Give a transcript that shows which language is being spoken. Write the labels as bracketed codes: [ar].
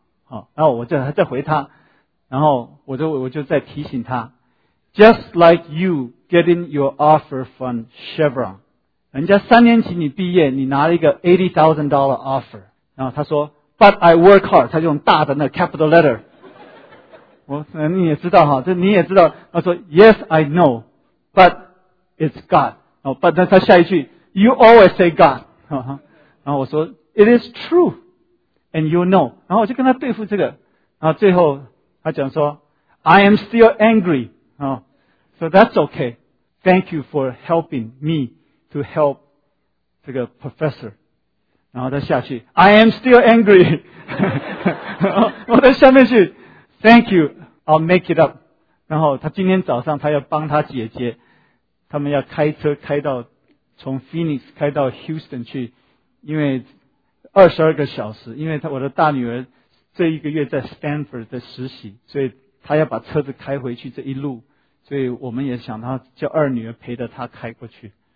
[zh] 好，然后我就在回他，然后我就在提醒他 ， [en] just like you getting your offer from Chevron， [zh] 人家三年级你毕业，你拿了一个$80,000 offer， 然后他说 ， [en] but I work hard， [zh] 他就用大的那 capital letter。我你也知道哈，这你也知道，他说 ， [en] yes I know， but it's God。 [zh] 哦，但他下一句 [en] ，You always say God， [zh] 然后我说 [en] ，It is true， and you know。 [zh] 然后我就跟他对付这个，然后最后他讲说 [en] ，I am still angry， 啊 ，So that's okay， thank you for helping me to help [zh] 这个 [en] professor。 [zh] 然后他下去 [en] ，I am still angry， [zh] 然后我在下面去 [en] ，Thank you， I'll make it up。 [zh] 然后他今天早上他要帮他姐姐。他们要开车开到从 Phoenix 开到 Houston 去，因为22个小时，因为我的大女儿这一个月在 Stanford 的实习，所以她要把车子开回去这一路，所以我们也想她叫二女儿陪着她开过去。